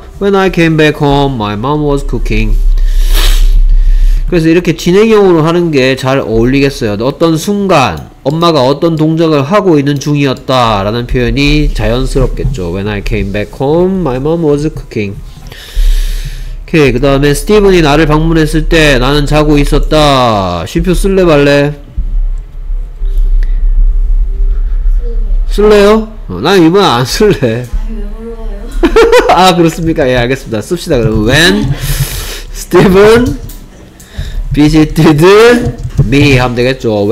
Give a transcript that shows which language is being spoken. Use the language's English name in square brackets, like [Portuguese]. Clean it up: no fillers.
[English] When I came back home, my mom was cooking. [Korean] 그래서 이렇게 진행형으로 하는 게 잘 어울리겠어요. 어떤 순간 엄마가 어떤 동작을 하고 있는 중이었다 라는 표현이 자연스럽겠죠. [English] When I came back home, my mom was cooking. [Korean] 오케이. 그 다음에 스티븐이 나를 방문했을 때 나는 자고 있었다. 쉼표 쓸래 말래? 쓸래요? 나는 이번에 안 쓸래. 아니 왜 물어봐요? 아 그렇습니까? 예 알겠습니다. 씁시다. 그러면 [English] When 스티븐 visited me [Korean] 하면 되겠죠.